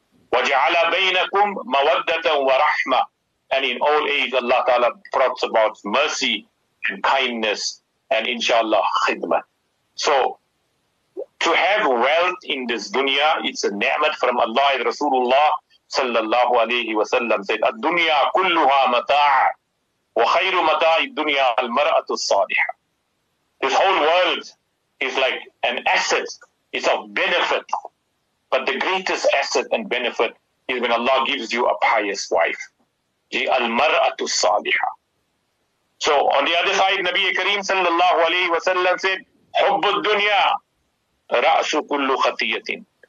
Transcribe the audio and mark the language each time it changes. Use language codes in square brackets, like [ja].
[ar] وَجَعَلَ بَيْنَكُمْ مَوَدَّةً وَرَحْمَةً. [en] And in all age, Allah Ta'ala talks about mercy and kindness and inshallah, khidmat. So, to have wealth in this dunya, it's a ni'mat from Allah. Rasulullah sallallahu alayhi wa sallam said, [ar] الدُّنْيَا كُلُّهَا مَتَاعَ وَخَيْرُ مَتَاعِ الدُّنْيَا الْمَرْأَةُ الصَّالِحَةُ. [en] This whole world is like an asset. It's of benefit. But the greatest asset and benefit is when Allah gives you a pious wife. The al-mar'atu saliha. So on the other side, Nabi Kareem sallallahu alayhi wa sallam said, [ar] حُبُّ الدُّنْيَا رَأْسُ كُلُّ خَطِيَّةٍ.